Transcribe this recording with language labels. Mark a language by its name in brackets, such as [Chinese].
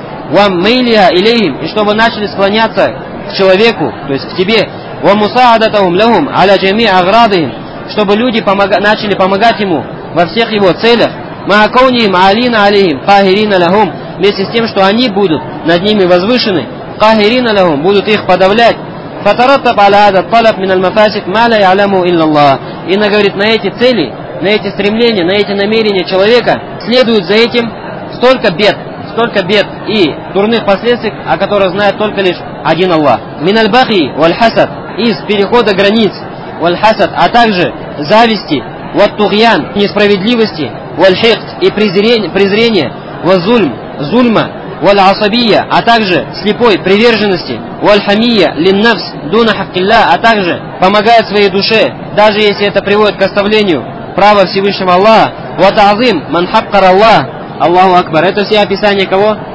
[Arabic] Вам мейлиха илейхим. [Russian] И чтобы начали склоняться к человеку, то есть к тебе. [Arabic] Вам мусаадатахум лягум аля джами аградихим. [Russian] Чтобы люди начали помогать ему во всех его целях. [Arabic] Маакоунихим аалина алейхим кахирина лягум. [Russian] Вместе с тем, что они будут над ними возвышены. [Arabic] Кахирина лягум. [Russian] Будут их подавлять. [Arabic] فترتب على هذا الطلب من المفاسد ما لا يعلمه إلا الله. [Russian] И она говорит, на эти цели, на эти стремления, на эти намерения человека следует за этим столько бед и дурных последствий, о которых знает только лишь один Аллах. [Arabic] من البغي والحسد [Russian] из перехода границ والحسد, а также зависти والطغيان несправедливости والحقد и презрение والظلم зульма والعصبية, а также слепой приверженности, [Arabic] والحمية للنفس دون حق الله, [Russian] а также помогает своей душе, даже если это приводит к оставлению права Всевышнего Аллаха, [Arabic] وتعظيم من حقر الله, [Russian] Аллаху Акбар. Это все описания кого?